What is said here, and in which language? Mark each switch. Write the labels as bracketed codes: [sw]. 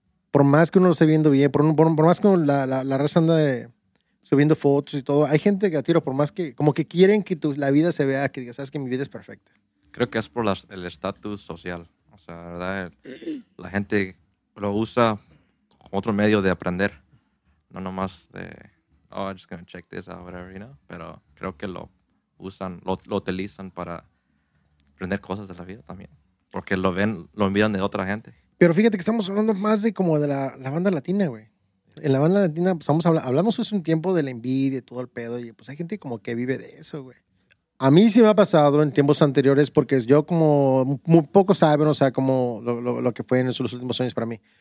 [es] Por más que uno lo esté viendo bien, por más que la raza anda subiendo fotos y todo, hay gente que a tiro, por más que, como que quieren que la vida se vea, que digas, sabes que mi vida es perfecta. Creo que es por el estatus social. O sea, la verdad, la gente lo usa como otro medio de aprender. No nomás de, [en] oh, I'm just gonna check this out, whatever, you know. [es] Pero creo que lo usan, lo utilizan para aprender cosas de la vida también. Porque lo ven, lo envían de otra gente. Pero fíjate que estamos hablando más de como de la banda latina, güey. En la banda latina pues, hablamos hace un tiempo de la envidia y todo el pedo. Y pues hay gente como que vive de eso, güey. A mí sí me ha pasado en tiempos anteriores porque yo como muy poco saben, o sea, como lo que fue en los últimos años para mí.